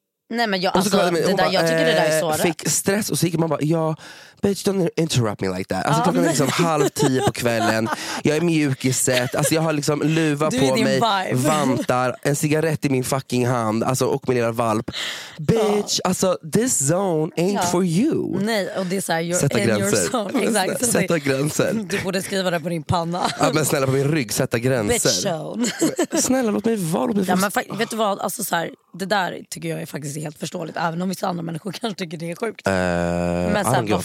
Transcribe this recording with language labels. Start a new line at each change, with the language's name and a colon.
Swedish: Nej, men jag, alltså, det där, bara, jag tycker det där är så rätt. Fick stress och så gick man bara, ja,
English: bitch, don't interrupt me like that.
Swedish: Alltså klockan är liksom 9:30 på kvällen. Jag är mjuk i set. Alltså jag har liksom luva du på mig, vantar, en cigarett i min fucking hand. Alltså och min lilla valp.
English: Bitch, alltså this zone ain't for you.
Swedish: Nej, och det är såhär, you're sätta in gränser.
English: Your zone.
Swedish: Exactly. Sätta gränser. Du borde skriva det på din panna. Ja, men snälla, på min rygg, sätta gränser.
English: Bitch zone.
Swedish: Snälla, låt mig vara. Låt mig men vet du vad, alltså så här, det där tycker jag är faktiskt helt förståeligt. Även om vissa andra människor kanske tycker det är sjukt. Men sen, vad